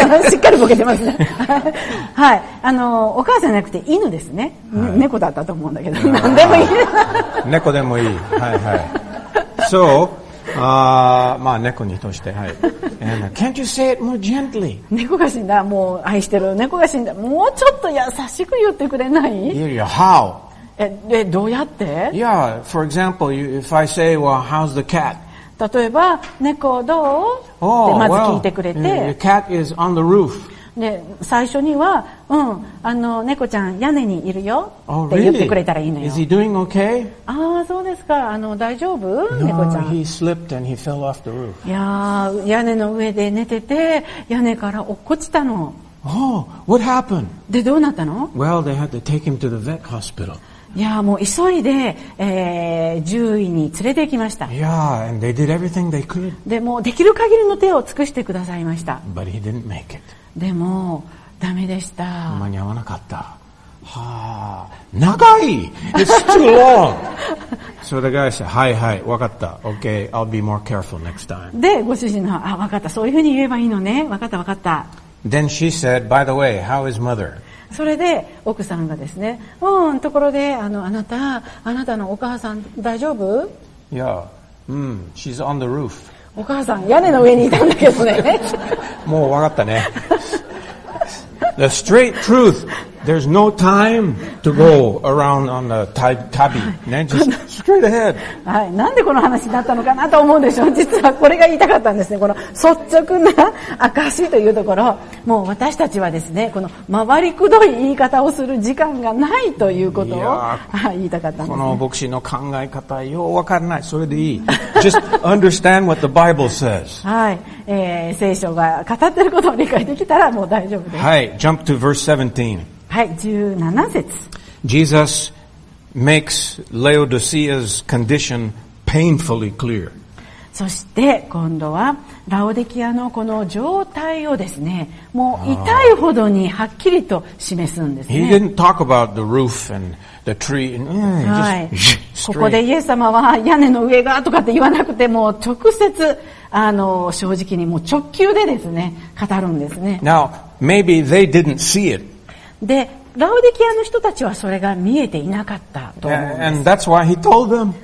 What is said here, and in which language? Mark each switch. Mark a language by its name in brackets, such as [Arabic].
[Japanese] しっかりボケてますねはい、お母さんじゃなくて犬ですね、はい、猫だったと思うんだけど何でもいい猫でもいい、はいはい、そう、あ、まあ猫にとして、はい、 [English] And, can't you say it more gently? [Japanese] 猫が死んだ、もう愛してる猫が死んだ、もうちょっと優しく言ってくれない？ [English] Yeah, yeah. How? [Japanese] え、どうやって？ [English] Yeah, for example, if I say, well, how's the cat? [Japanese] 例えば猫どう？ Oh, ってまず聞いてくれて、 [English] well, the cat is on the roof. [Japanese] で、最初には、うん、猫ちゃん屋根にいるよって言ってくれたらいいのよ。 [English] Is he doing okay? [Japanese] ああ、そうですか。大丈夫？ [English] No, [Japanese] 猫ちゃん。 [English] He slipped and he fell off the roof. [Japanese] いやー、屋根の上で寝てて、屋根から落っこちたの。 [English] Oh, what happened? [Japanese] で、どうなったの？ [English] Well, they had to take him to the vet hospital. [Japanese] いやもう急いで、獣医に連れて行きました。 [English] Yeah, and they did everything they could. [Japanese] でもできる限りの手を尽くしてくださいました。 [English] But he didn't make it. [Japanese] でもダメでした。間に合わなかった。はあ、長い。 [English] It's too long. So the guy said, "Hi, hi, [Japanese] わかった。 [English] Okay, I'll be more careful next time." [Japanese] でご主人の、あ、わかった。そういうふうに言えばいいのね。わかった、わかった。 [English] Then she said, "By the way, how is mother?" [Japanese] それで奥さんがですね、うん、ところで、あなたのお母さん大丈夫？ [English] Yeah, she's on the roof. [Japanese] お母さん屋根の上にいたんだけどね。もうわかったね。 [English] The straight truth, there's no time to go around on the tabby. ね、just straight ahead. [Japanese] はい、なんでこの話になったのかなと思うでしょう。実はこれが言いたかったんですね。この率直な証というところ。もう私たちはですね、この回りくどい言い方をする時間がないということを言いたかったんです、ね。この牧師の考え方、ようわからない。それでいい。 [English] Just understand what the Bible says. [Japanese] はい、聖書が語っていることを理解できたらもう大丈夫です。 [English] はい、jump to verse 17. [Japanese] はい、17節。 [English] Jesus makes Laodicea's condition painfully clear. [Japanese] そして今度はラオデキアのこの状態をですね、もう痛いほどにはっきりと示すんですね。 [English] He didn't talk about the roof and the tree and just straight. [Japanese] ここでイエス様は屋根の上がとかって言わなくて、もう直接正直にもう直球でですね語るんですね。 [English] Now maybe they didn't see it. [Japanese] でラオデキアの人たちはそれが見えていなかったと思うんです。 [English] And that's why he told them.